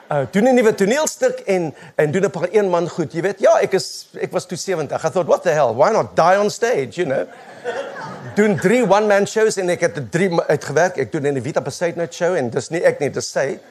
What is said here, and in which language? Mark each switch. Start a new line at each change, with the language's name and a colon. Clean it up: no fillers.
Afrikaans: doen 'n nuwe toneelstuk en doen 'n paar een man goed. Jy weet, ja, ek was toe 70.
English: I thought, what the hell, why not die on stage, you know?
Afrikaans: Doen 3 one-man shows en ek het 3 uitgewerk. Ek doen in die Vita Pesuit Night Show en dis nie ek nie, dis sy.